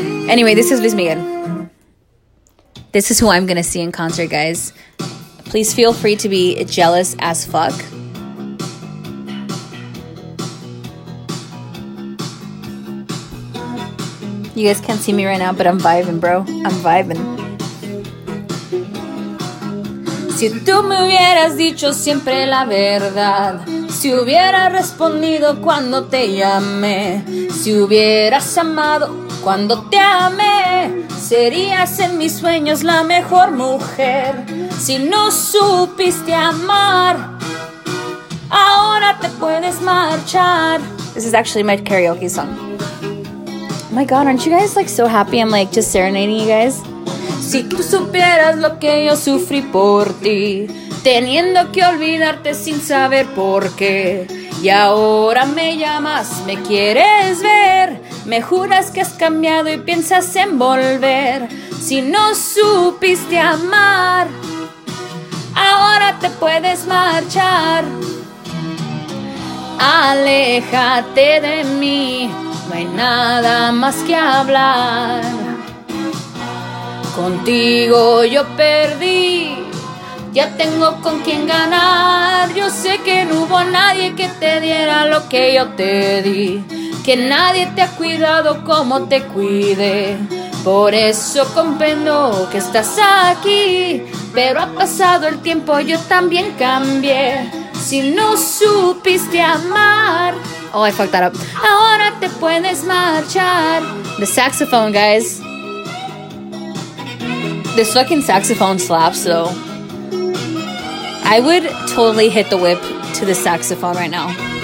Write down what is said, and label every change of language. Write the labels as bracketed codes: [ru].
[en] Anyway, this is Luis Miguel. This is who I'm going to see in concert, guys. Please feel free to be jealous as fuck. You guys can't see me right now, but I'm vibing, bro. I'm vibing. [es] Si tú me hubieras dicho siempre la verdad, si hubiera respondido cuando te llamé, si hubieras amado cuando te amé, serías en mis sueños la mejor mujer. Si no supiste amar, ahora te puedes marchar. [en] This is actually my karaoke song. Oh my god, aren't you guys like so happy? I'm like just serenading you guys. [es] Si tú supieras lo que yo sufrí por ti, teniendo que olvidarte sin saber por qué, y ahora me llamas, me quieres ver, me juras que has cambiado y piensas en volver. Si no supiste amar, ahora te puedes marchar. Aléjate de mí, no hay nada más que hablar. Contigo yo perdí, ya tengo con quién ganar. Yo sé que no hubo nadie que te diera lo que yo te di, que nadie te ha cuidado como te cuide. Por eso comprendo que estás aquí, pero ha pasado el tiempo, yo también cambié. Si no supiste amar, [en] oh, I fucked that up. [es] Ahora te puedes marchar. [en] The saxophone, guys. This fucking saxophone slaps, though. I would totally hit the whip to the saxophone right now.